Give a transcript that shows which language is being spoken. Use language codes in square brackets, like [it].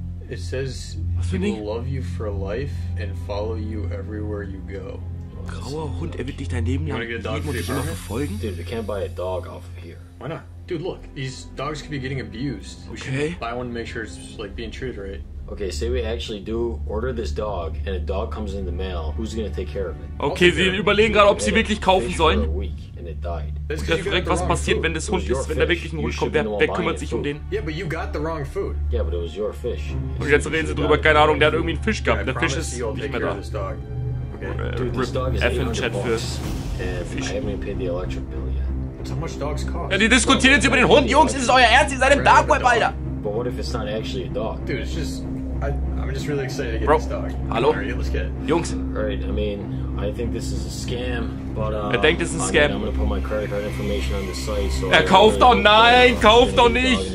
[en] It says people love you for life and follow you everywhere you go. [de] Grauer Hund, er wird dich dein Leben lang lieben und dich immer verfolgen. [en] Dude, we can't buy a dog off of here. Why not? Dude, look, these dogs could be getting abused. Okay. We should buy one to make sure it's like being treated right. Okay, say we actually do order this dog and a dog comes in the mail, who's gonna take care of it? [de] Okay, sie überlegen gerade, ob sie wirklich kaufen sollen. Und er fragt, was passiert, wenn das Hund ist, wenn da wirklich ein Hund kommt, wer kümmert sich um den? [en] Yeah, but you got the wrong food. Yeah, but it was your fish. [de] Und jetzt reden sie drüber, keine Ahnung, der hat irgendwie einen Fisch gehabt. Der Fisch ist nicht mehr da. [en] Dude, this dog is 800 bucks. I haven't even paid the electric bill yet. So much dogs cost. [de] Ja, die diskutieren jetzt über den Hund. Jungs, ist es euer Ernst? Ihr seid im Dark Web, Alter. [en] But what if it's not actually a dog? Dude, it's just... I'm just really excited to get this dog. [de] Hallo? Jungs. [en] Alright, I mean, I think this is a scam, but [de] er denkt, [en] this is a scam. I'm gonna put my credit card information on the site, so... [de] Er kauft doch, nein, kauft doch nicht!